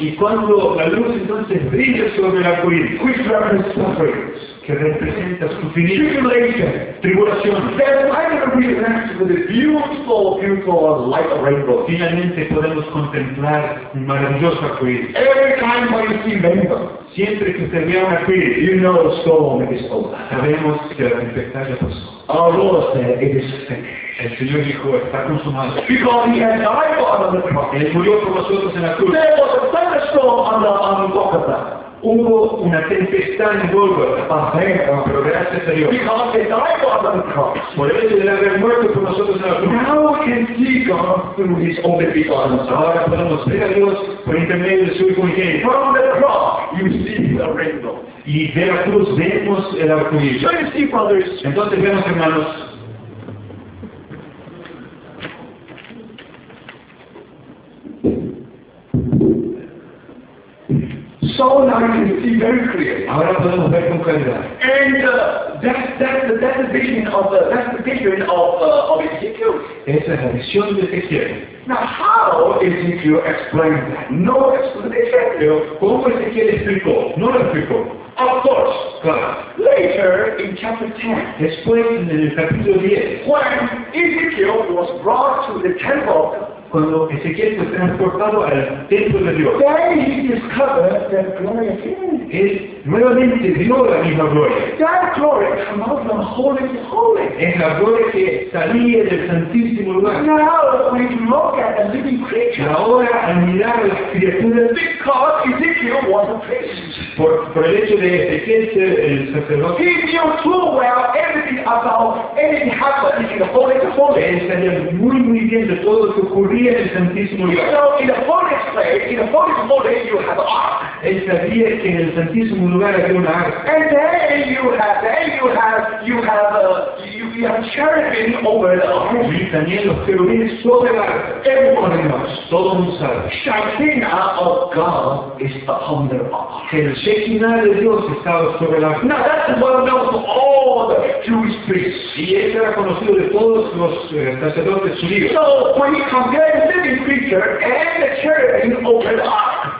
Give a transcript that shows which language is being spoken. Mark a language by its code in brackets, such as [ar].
[es] Y cuando la luz entonces brilla sobre el arcoíris, [en] which represents suffering, [es] que representa sufrimiento, [en] tribulation, [es] tribulación, [en] then why don't we rest with a beautiful, beautiful light of rainbow? [es] Finalmente podemos contemplar un maravilloso arcoíris. [en] Every time when you see rainbow. [es] Siempre que se vea un arcoíris, [en] you know the storm is over. [es] Sabemos que la tempestad ya pasó. [en] Our Lord said, it is finished. [es] El Señor dijo, está consumado. [en] Because he had died for us on the cross. [es] Él murió por nosotros en la cruz. [en] There was a thunderstorm on the Golgotha. [es] Hubo una tempestad en Golgotha. Pero gracias a Dios. [en] Because he died for us on the cross. [es] Por eso él había muerto por nosotros en la cruz. [en] Now we can see God through his only begotten Son. [es] Ahora podemos ver a Dios por intermedio de su Hijo unigénito. [en] From the cross. You see the rainbow. [es] Y de la cruz vemos el arcoíris. [en] So you see, brothers. [es] Entonces vemos, hermanos. [en] So now you can see very clearly. [es] Ahora podemos ver con claridad. [en] And that's the vision of the vision of Ezekiel. [es] Esa es la visión de Ezequiel. [en] Now how Ezekiel explained that? No explanation. [es] Pero ¿cómo Ezequiel explicó? No lo explicó. [en] Of course. [es] Claro. [en] Later in chapter 10. [es] Después en el capítulo 10. [en] When Ezekiel was brought to the temple. [es] Cuando Ezequiel fue transportado al templo de Dios. [en] Then he discovered that glory again. [es] Es nuevamente Dios la misma gloria. [en] That glory came out from holy to holy. [es] Es la gloria que salía del santísimo lugar. [en] Now we look at the living creature. [es] Ahora al mirar a las criaturas, [en] because Ezekiel was a priest. [es] Por el hecho de Ezequiel ser el sacerdote. [en] He knew too well everything about anything happening in the holy to holy. [es] Él sabía muy muy bien de todo lo que ocurría en el santísimo lugar. [en] You know, in the holy place, in the holy to holy, you have an ark. [es] Él sabía que en el santísimo lugar había una arca. [en] And then you have cherubim over the ark. [es] Y también los querubines sobre la arca. [en] Everyone knows. [es] Todo el mundo sabe. [en] Shekinah of God is upon the ark. [es] El Shekinah de Dios estaba sobre la arca. [en] Now that's well known to all the Jewish priests. [es] Y eso era conocido de todos los sacerdotes judíos. [en] So when he compared the living creature and the cherubim over the ark.